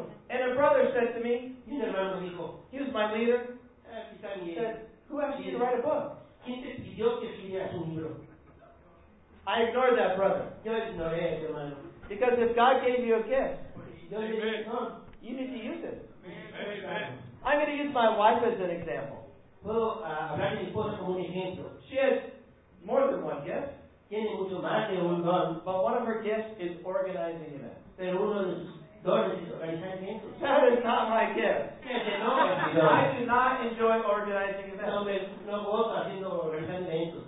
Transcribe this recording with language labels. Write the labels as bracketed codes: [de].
[en] And a brother said to me, he was my leader, he said, Who asked you to write a book? [es] ¿Quién te pidió que escribieras un libro? [en] I ignored that, brother. [es] Yo ignoré ese hermano. [en] Because if God gave you a gift, amen, you need to use it. Amen. I'm going to use my wife as an example. [es] Puedo hablar de mi esposa como un ejemplo. [en] She has more than one gift. [es] Tiene mucho más de un don. [en] But one of her gifts is organizing events. [es] Pero uno de sus dones es organizar eventos. [en] That is not my gift. [es] No, [en] I do not enjoy organizing events. [es] No, no puedo haciendo organizar eventos.